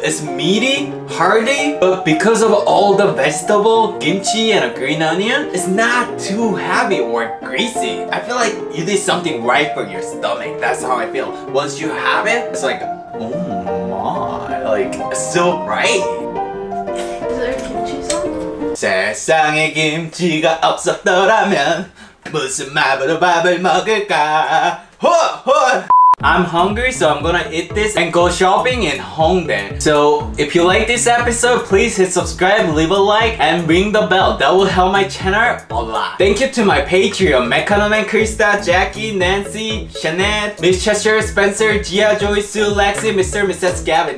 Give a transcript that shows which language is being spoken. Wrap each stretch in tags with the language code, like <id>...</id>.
<en>It's meaty, hearty, but because of all the vegetable, kimchi, and a green onion, it's not too heavy or greasy. I feel like you did something right for your stomach. That's how I feel. Once you have it, it's like, oh my, like, so right. Is there a kimchi song?</en> <ko>세상에 김치가 없었더라면 무슨 마블로 밥을 먹을까? Ho, ho!</ko> <en>I'm hungry, so I'm gonna eat this and go shopping in Hongdae. So if you like this episode, please hit subscribe, leave a like, and ring the bell. That will help my channel a lot. Thank you to my Patreon, Mekanon and Krista, Jackie, Nancy, Jeanette, Miss Cheshire, Spencer, Gia, Joy, Sue, Lexi, Mr. and Mrs. Gavin.</en>